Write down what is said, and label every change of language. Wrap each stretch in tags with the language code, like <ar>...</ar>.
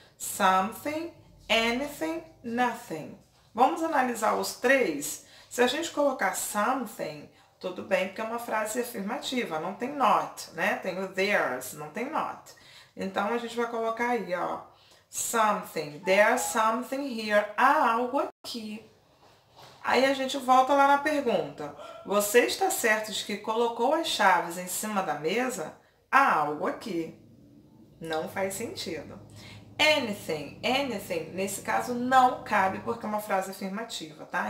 <en>Something, anything, nothing.</en> <pt>Vamos analisar os três? Se a gente colocar something, tudo bem, porque é uma frase afirmativa, não tem not, né? Tem o there's, não tem not. Então, a gente vai colocar aí, ó.</pt> <en>Something, there's something here.</en> <pt>Há algo aqui. Aí a gente volta lá na pergunta. Você está certo de que colocou as chaves em cima da mesa? Há algo aqui. Não faz sentido. Anything, anything, nesse caso não cabe porque é uma frase afirmativa, tá?</pt>